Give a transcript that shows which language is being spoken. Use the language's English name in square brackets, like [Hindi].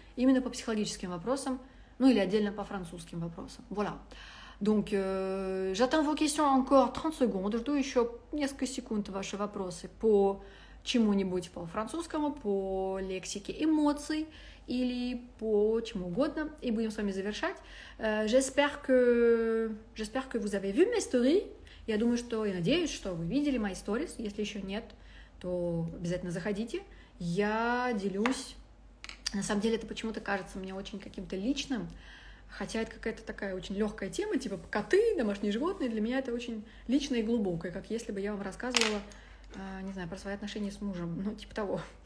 [Russian] именно по психологическим вопросам, ну или отдельно по французским вопросам. [French] Voilà. Donc, j'attends vos questions encore 30 secondes. [Russian] Жду еще несколько секунд ваши вопросы по чему-нибудь по французскому, по лексике эмоций или по чему угодно. И будем с вами завершать. [French] J'espère que vous avez vu mes stories. [Russian] Я думаю, что и надеюсь, что вы видели мои stories. Если еще нет, то обязательно заходите. Я делюсь. На самом деле, это почему-то кажется мне очень каким-то личным. Хотя это какая-то такая очень легкая тема, типа коты, домашние животные. Для меня это очень личное и глубокое, как если бы я вам рассказывала, не знаю, про свои отношения с мужем. Ну, типа того.